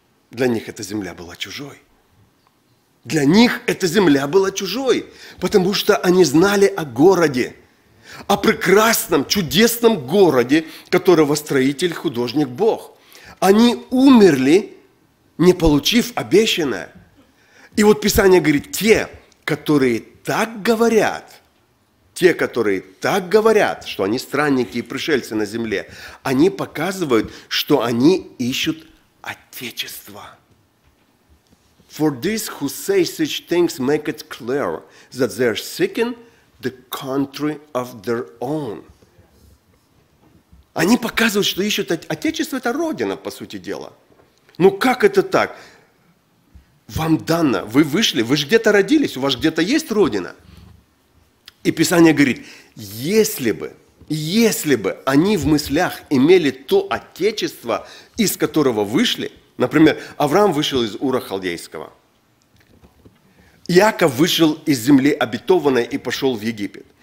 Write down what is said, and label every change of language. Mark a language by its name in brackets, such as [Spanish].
[Russian] Для них эта земля была чужой. Для них эта земля была чужой, потому что они знали о городе, о прекрасном, чудесном городе, которого строитель, художник Бог. Они умерли, не получив обещанное. И вот Писание говорит, те, которые так говорят, те, которые так говорят, что они странники и пришельцы на земле, они показывают, что они ищут Отечество. [English] For these who say such things make it clear that they are seeking the country of their own. [Russian] Они показывают, что ищут Отечество, это Родина, по сути дела. Ну как это так? Вам дано, вы вышли, вы же где-то родились, у вас где-то есть Родина. И Писание говорит, если бы они в мыслях имели то Отечество, из которого вышли, например, Авраам вышел из Ура Халдейского, Яков вышел из земли обетованной и пошел в Египет.